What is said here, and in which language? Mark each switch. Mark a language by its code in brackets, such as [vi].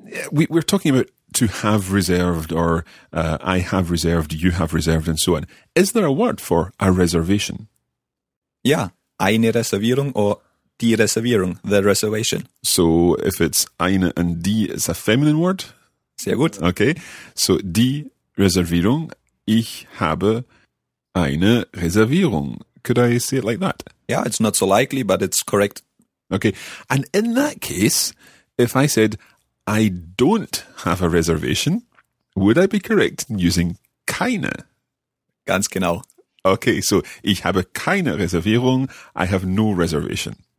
[en] We're talking about to have reserved or I have reserved, you have reserved and so on. Is there a word for a reservation? [de] Ja, eine Reservierung or die Reservierung, [en] the reservation. So if it's eine and die, it's a feminine word? [de] Sehr gut. Okay, so die Reservierung, ich habe eine Reservierung. [en] Could I say it like that? Yeah, it's not so likely, but it's correct. Okay, and in that case, if I said I don't have a reservation, would I be correct in using keine? [de] Ganz genau. [en] Okay, so [de] ich habe keine Reservierung, [en] I have no reservation.